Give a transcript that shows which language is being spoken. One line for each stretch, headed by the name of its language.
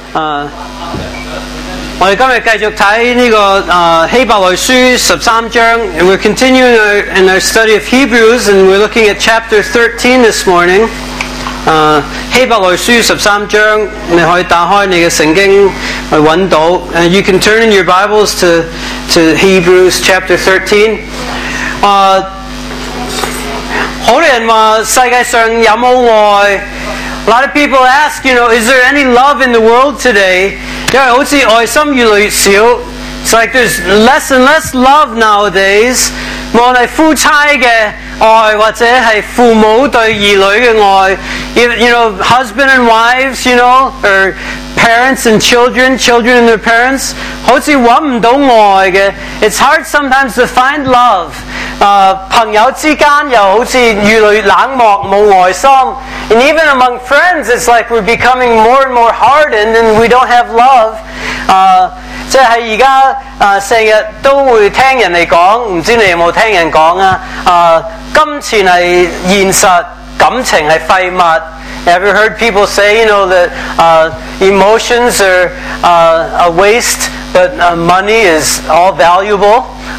Cantonese: 我哋今日继续睇呢个希伯来书十三章
English: ，and we're continuing in our study of Hebrews, and we're looking at chapter 13 this morning.
Cantonese: 希伯来书十三章，你可以打开你嘅圣经去揾到。
English: You can turn in your Bibles to Hebrews chapter 13.
Cantonese: 好多人话世界上有冇爱。
English: A lot of people ask, you know, is there any love in the world today?
Cantonese: Yeah, 好似愛心越來越少。
English: It's like there's less and less love nowadays.
Cantonese: 無論是夫妻的愛或者是父母對兒女的愛。
English: You know, husband and wives, you know, or parents and children, children and their parents.
Cantonese: 好似找不到愛的。
English: It's hard sometimes to find love.
Cantonese: 朋友之間又好似越來越冷漠，沒愛心。
English: And even among friends, it's like we're becoming more and more hardened and we don't have love.
Cantonese: 即是现在成日都会听人来讲，不知道你有没有听人讲啊，金钱是现实，感情是废物。
English: Have you heard people say, you know, that emotions are a waste, but money is all valuable?